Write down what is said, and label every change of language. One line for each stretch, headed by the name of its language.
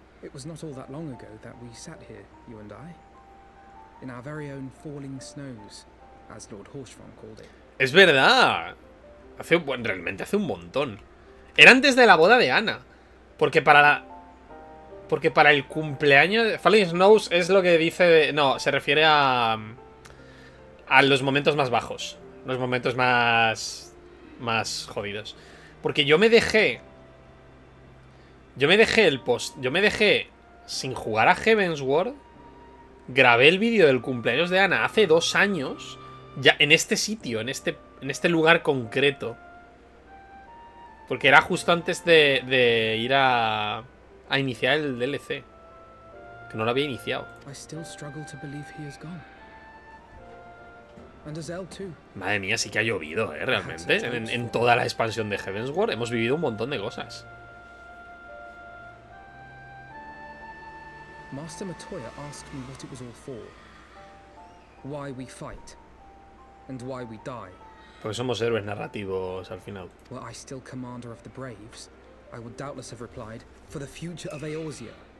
English: It was not all that long ago that we sat here, you and I, in our very own falling snows, as Lord Horsfrong called it.
Spanish: Es verdad. Realmente hace un montón. Era antes de la boda de Anna, porque para el cumpleaños de Falling Snows es lo que dice, no, se refiere a los momentos más bajos, los momentos más jodidos. Porque yo me dejé sin jugar a Heavensward, grabé el vídeo del cumpleaños de Anna hace 2 años, ya en este sitio, en este lugar concreto. Porque era justo antes de ir a iniciar el DLC, que no lo había iniciado.
English: I still struggle to believe he is gone.
Spanish: Madre mía, sí que ha llovido, realmente. En toda la expansión de Heavensward hemos vivido un montón de cosas.
English: Master Matoya asked me what it was all for. Why we fight and why we die.
Spanish: Porque somos héroes narrativos al final.
English: Well, I still commander of the Braves. I would doubtless have replied for the future of Eorzea.